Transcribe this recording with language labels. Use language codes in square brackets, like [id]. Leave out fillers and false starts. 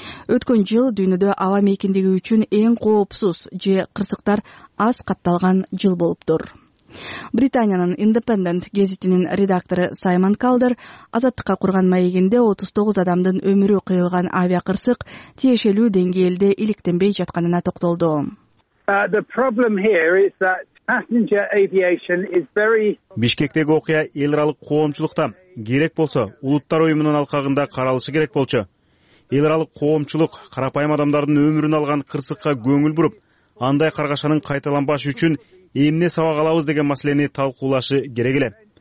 [ky] Өткөн жыл дүйнөдө аба мейкиндиги үчүн эң коопсуз же кырсыктар аз катталган жыл болуптур. Британиянын Independent гезитинин редактору Саймон Калдер азаттыкка курган маегинде 39 адамдын өмүрү кыйылган авиа кырсык тиешелүү деңгээлде иликтенбей жатканына токтолду. [en] The problem here is that passenger aviation is very [ky] Бишкектеги окуя эл аралык коомчулукта керек болсо улуттар уюмунун алкагында каралышы керек болчу. Эл аралык коомчулук карапайым адамдардын өмүрүн алган кырсыкка көңүл буруп, андай каргашанын кайталанбашы үчүн эмне сабак алабыз деген маселени талкуулашы керек эле.